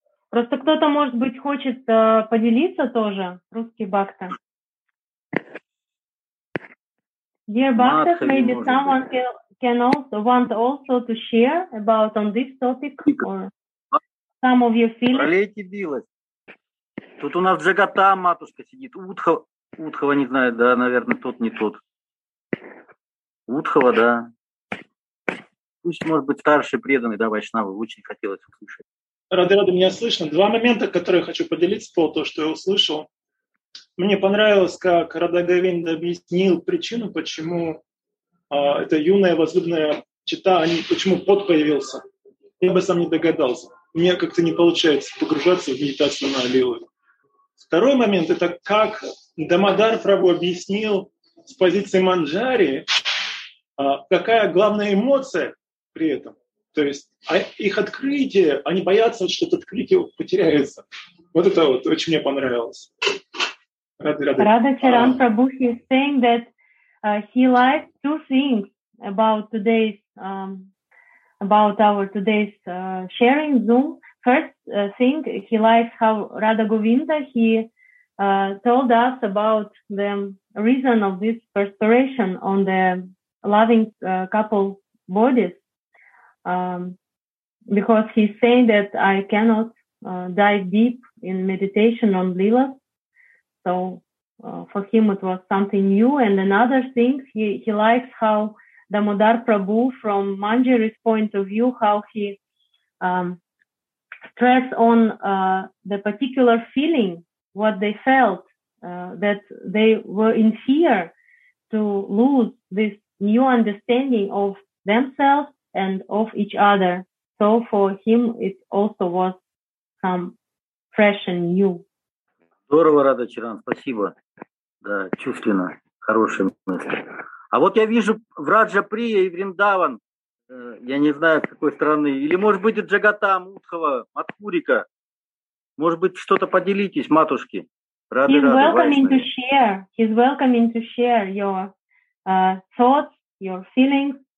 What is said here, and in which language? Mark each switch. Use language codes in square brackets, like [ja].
[ru] Просто кто-то, может быть, хочет поделиться тоже, русский бхакта. [en] Dear bhaktas, maybe someone can also want also to share about on this topic or some of your feelings. [ru] Пролейте билось. Тут у нас Джагата матушка сидит. Утхова не знаю, да, наверное, тот не тот. Утхова, да. Пусть, может быть, старший преданный, да, Вайшнава, очень хотелось услышать. Рады, меня слышно. Два момента, которые я хочу поделиться по тому, что я услышал. Мне понравилось, как Рада Говинда объяснил причину, почему эта юная возлюбленная чита, почему пот появился. Я бы сам не догадался. У меня как-то не получается погружаться в медитацию на Лилу. Второй момент — это как Дамодар Прабху объяснил с позиции Манджари, какая главная эмоция при этом. То есть их открытие, они боятся, что это открытие потеряется. Вот это вот очень мне понравилось. [en] Рада Чаран Прабху, he is saying that he likes two things about today's about our today's sharing Zoom. First thing, he likes how Radha Govinda, he told us about the reason of this perspiration on the loving couple bodies. Because he's saying that I cannot dive deep in meditation on Lila. So for him it was something new. And another thing, he likes how Damodar Prabhu, from Manjari's point of view, how he stressed on the particular feeling, what they felt, that they were in fear to lose this new understanding of themselves and of each other. So for him it also was some fresh and new. [ru] Здорово, Рада Чаран, спасибо. Да, чувственно, хорошие мысли. А вот я вижу в Раджа-Прия и Вриндаван, я не знаю, с какой стороны, или, может быть, Джагата, Мудхова, Матхурика. Может быть, что-то поделитесь, матушки. [en] Рады, he's welcoming to share. He's welcoming to share your thoughts, your feelings.